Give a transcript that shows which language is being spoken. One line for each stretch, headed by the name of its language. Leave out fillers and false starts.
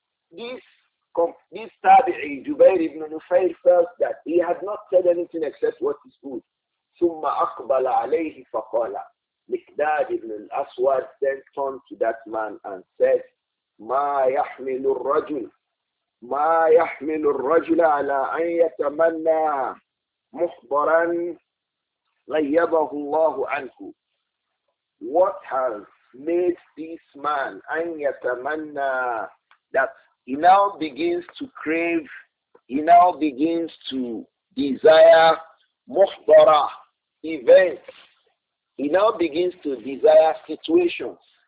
English: This Tabi'i, Jubair ibn Nufayr, felt that he had not said anything except what is good.
Arabic: Summa akbala alayhi faqala.
English: Miqdad ibn al-Aswad then turned to that man and said,
Arabic: Ma yahmilu al-rajul. ما يحمل الرجل على أن يتمنى مخبرا غيبه الله عنه.
English: What has made this man
Arabic: أن يتمنى,
English: that he now begins to crave, he now begins to desire
Arabic: مخبرا
English: events, he now begins to desire situations,